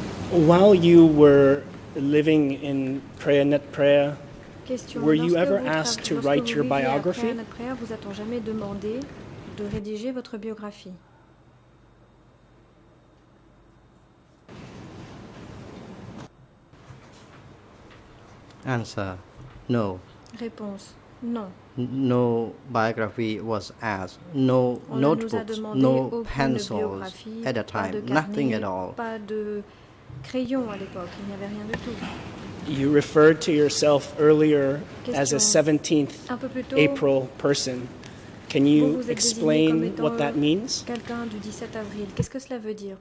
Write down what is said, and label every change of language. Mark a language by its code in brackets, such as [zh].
[en] While you were living in Praya Net Praya, were you ever asked to write your biography? [fr] Praya Net Praya, vous a-t-on jamais demandé de rédiger votre biographie? [en] Answer, no. [fr] Réponse, non. [en] No biography was asked, no notebooks, no pencils at that time, nothing at all. [fr] Crayon à l'époque, il n'y avait rien de tout. [en] You referred to yourself earlier as a 17th April person. Can you explain what that means? [fr] Quelqu'un du 17 avril, qu'est-ce que cela veut dire?